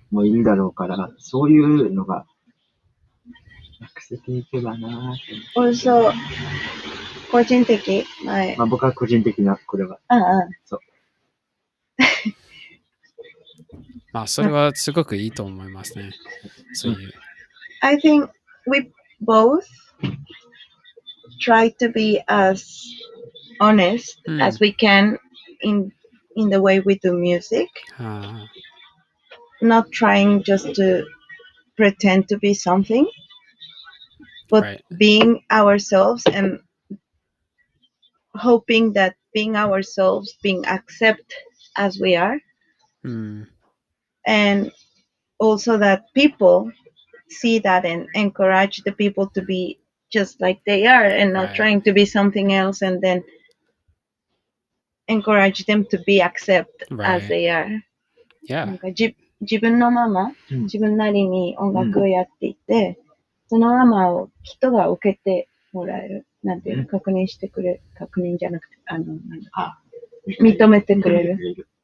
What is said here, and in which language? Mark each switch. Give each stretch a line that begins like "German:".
Japanese: もういるだろうから、そういうのが訳せていけばなぁと思って。個人的、まあ、僕は個人的な、これは。ああ、そう。まあ、それはすごくいいと思いますね。そういう。
English: I think we both try to be as honest as we can in the way we do music. Not trying just to pretend to be something, but、 right. being ourselves and hoping that being ourselves, being accept as we are. Mm. And also that people see that and encourage the people to be just like they are and not right. trying to be something else, and then encourage them to be accepted right. as they are. Yeah.
Japanese: 自分のまま、自分なりに音楽をやっていて、そのままを人が受けてもらえる。なんていうの、確認してくれる。確認じゃなくて、あの、なんか、認めてくれる。